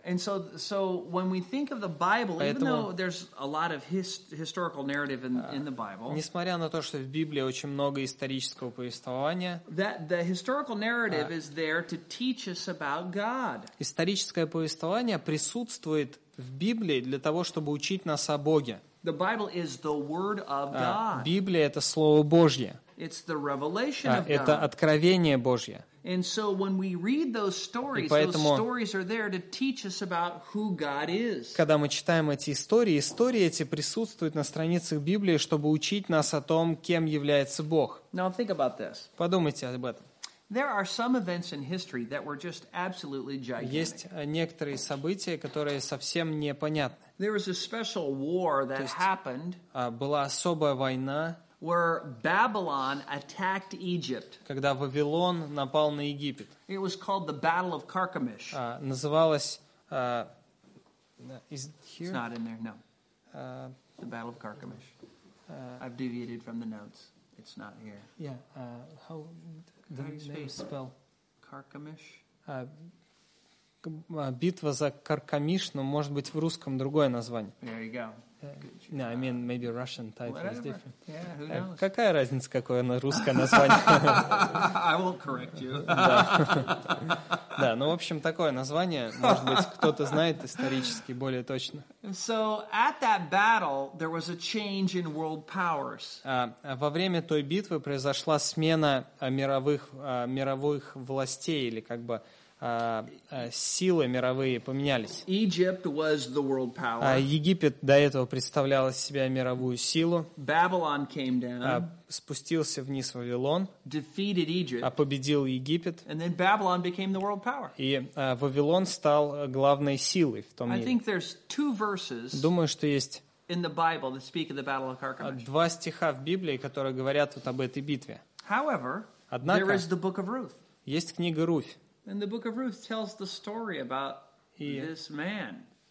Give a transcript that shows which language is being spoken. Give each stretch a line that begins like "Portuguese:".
English: And so when we think of the Bible, even though there's a lot of historical narrative in the Bible,
Russian: несмотря на то, что в Библии очень много исторического повествования,
English: that the historical narrative is there to teach us about God.
Russian: Историческое повествование присутствует в Библии для того, чтобы учить нас о Боге.
English: The Bible is the word of God.
Russian: Библия это слово Божье.
English: It's the revelation of God.
Russian: Это откровение Божье.
English: And so when we read those stories,
Russian: поэтому
English: those stories are there to teach us about who God is.
Russian: Когда мы читаем эти истории, истории эти присутствуют на страницах Библии, чтобы учить нас о том, кем является Бог.
English: Now think about this.
Russian: Подумайте об этом.
English: There are some events in history that were just absolutely gigantic.
Russian: Есть некоторые события, которые совсем непонятны.
English: There was a special war that happened.
Russian: Была особая война.
English: Where Babylon attacked Egypt.
Russian: Когда Вавилон напал на Египет.
English: It was called the Battle of Carchemish.
Russian: Называлось.
English: It's not in there. No. The Battle of Carchemish. I've deviated from the notes. It's not here. Yeah. How the name spell? Carchemish.
Russian: Битва за Каркамиш, но может быть в русском другое название.
English: There you go. No, I mean, maybe Russian title Whatever. Is different. Yeah, who knows?
Russian: Какая разница, какое русское название?
English: I won't correct you.
Russian: Да, ну, в общем, такое название, может быть, кто-то знает исторически более точно.
English: So, at that battle, there was a change in world powers.
Russian: Во время той битвы произошла смена мировых властей, или как бы... силы мировые поменялись.
English: Egypt was the world power.
Russian: Египет до этого представлял из себя мировую силу.
English: Babylon came down.
Russian: Спустился вниз Вавилон.
English: Defeated Egypt.
Russian: Победил Египет.
English: And then Babylon became the world power.
Russian: И Вавилон стал главной силой в том мире.
English: I think there's two verses.
Russian: Думаю, что есть
English: in the Bible that speak of the Battle of Carchemish.
Russian: Два стиха в Библии, которые говорят вот об этой битве.
English: However,
Russian: однако,
English: there is the Book of Ruth.
Russian: Есть книга Руфь.
English: And the book of Ruth tells the story about this man.